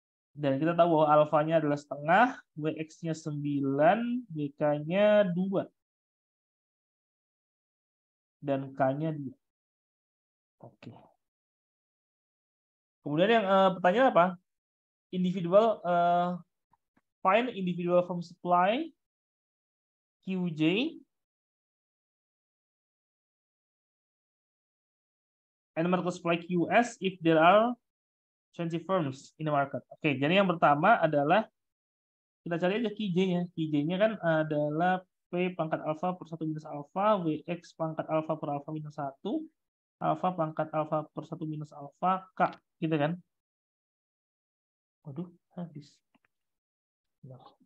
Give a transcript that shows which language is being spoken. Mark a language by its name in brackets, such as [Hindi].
[Indonesian] Dan kita tahu bahwa alfanya adalah setengah, WX-nya 9, WK-nya 2. Dan K-nya 2. Oke. Kemudian yang pertanyaan apa? [English] Individual, find individual form supply, QJ, and market supply QS if there are 20 firms in the market. [Indonesian] Oke, okay, jadi yang pertama adalah kita cari aja QJ-nya. QJ-nya kan adalah P pangkat alpha per 1 minus alpha, WX pangkat alpha per alpha minus 1, alpha pangkat alpha per 1 minus alpha, K. Gitu kan? Waduh, habis. Nah.